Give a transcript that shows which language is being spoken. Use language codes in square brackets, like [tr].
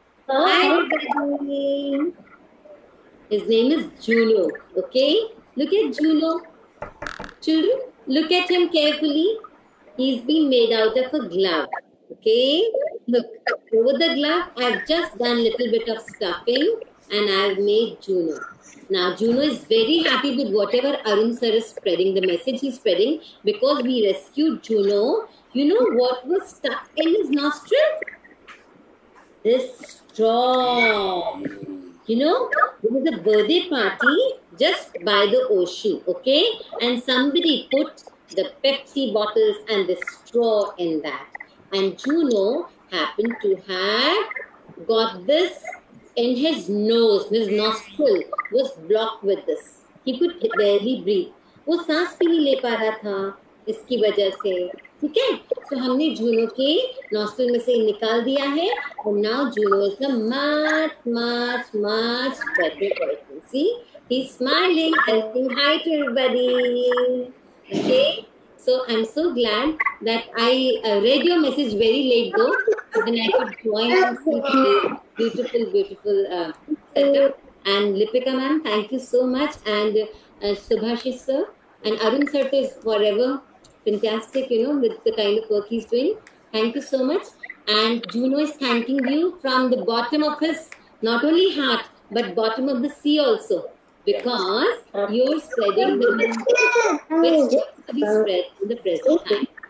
[en] Hi darling, his name is Juno. Okay look at Juno, children look at him carefully. He is been made out of a glove. Okay look over the glove, I have just done little bit of stuffing and I have made Juno. Now, Juno is very happy with whatever Arun sir is spreading, the message he's spreading, because we rescued Juno. You know what was stuck in his nostril? This straw. You know, there was a birthday party just by the ocean, okay? And somebody put the Pepsi bottles and the straw in that. And Juno happened to have got this in his nose, his nostril was blocked with this. He could barely breathe. [hi] वो सांस भी नहीं ले पा रहा था इसकी वजह से, ठीक है? तो हमने जूनो के नॉस्टल में से निकाल दिया है और [en] Now Juno is the much much much better person. See he smiling and saying hi to everybody. Okay so I am so glad that I read your message very late though then I could join beautiful, beautiful setup. And Lipika ma'am, thank you so much. And Subhashish sir and Arun sir is forever fantastic, you know, with the kind of work he's doing. Thank you so much. And Juno is thanking you from the bottom of his not only heart but bottom of the sea also, because you're spreading the spread in the present time.